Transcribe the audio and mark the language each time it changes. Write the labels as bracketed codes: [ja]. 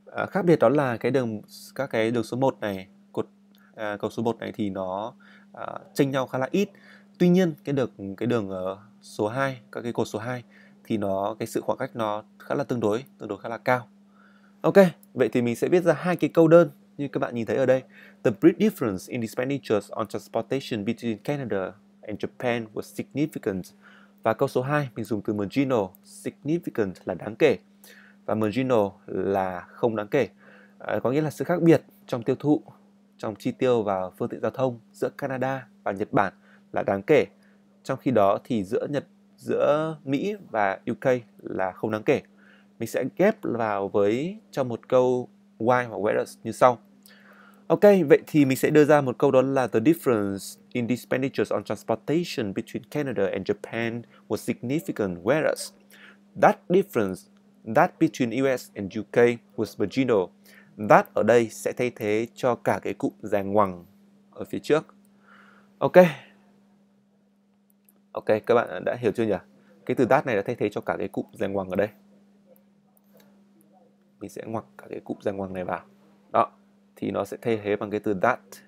[vi] Khác biệt đó là các cái đường số 1 này, cầu số 1 này thì nó chênh nhau khá là ít. Tuy nhiên cái đường số 2, các cái cột số 2 thì nó cái sự khoảng cách nó khá là tương đối khá là cao. Ok, vậy thì mình sẽ viết ra hai cái câu đơn như các bạn nhìn thấy ở đây. [en] The brief difference in expenditures on transportation between Canada and Japan was significant. [vi] Và câu số 2, mình dùng từ marginal, significant là đáng kể. Và marginal là không đáng kể. Có nghĩa là sự khác biệt trong tiêu thụ, trong chi tiêu và phương tiện giao thông giữa Canada và Nhật Bản là đáng kể. Trong khi đó thì giữa Mỹ và UK là không đáng kể. Mình sẽ ghép vào với trong một câu why hoặc whereas như sau. [en] Ok, vậy thì mình sẽ đưa ra một câu đó là the difference in expenditures on transportation between Canada and Japan was significant, whereas that difference that between US and UK was marginal. [vi] That ở đây sẽ thay thế cho cả cái cụm dài ngoằng ở phía trước. Ok. Ok, các bạn đã hiểu chưa nhỉ? Cái từ that này đã thay thế cho cả cái cụm dài ngoằng ở đây. Mình sẽ ngoặc cả cái cụm dài ngoằng này vào. Đó, thì nó sẽ thay thế bằng cái từ that.